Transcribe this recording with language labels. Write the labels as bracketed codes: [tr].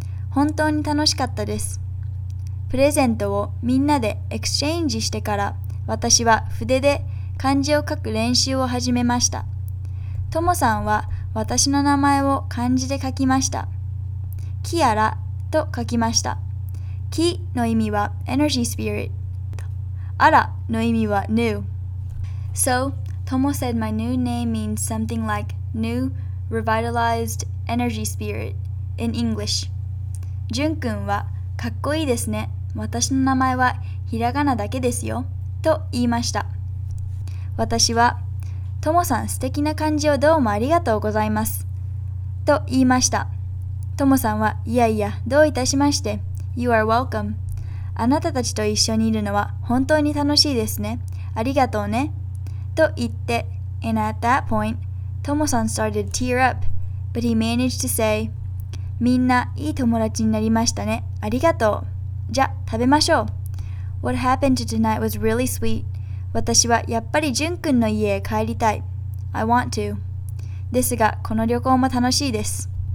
[ja] 本当に楽しかったです。プレゼントをみんなでエクスチェンジしてから、私は筆で漢字を書く練習を始めました。トモさんは私の名前を漢字で書きました。キアラと書きました。キの意味はエナジースピリット。アラの意味はニュー。 [en] So, Tomo said my new name means something like new revitalized energy spirit in English. [ja] ジュン君はかっこいいですね。私の名前はひらがなだけですよ。と言いました。私は、ともさん素敵な漢字をどうもありがとうございます。と言いました。ともさんは、いやいや、どういたしまして。 [en] You are welcome. [ja] あなたたちと一緒にいるのは本当に楽しいですね。ありがとうね。と言って、 [en] And at that point, ともさん started to tear up, but he managed to say, [ja] みんないい友達になりましたね。ありがとう。じゃ、食べましょう。 [en] What happened to tonight was really sweet. [ja] 私はやっぱりジュン君の家へ帰りたい。 [en] I want to. [ja] ですが、この旅行も楽しいです。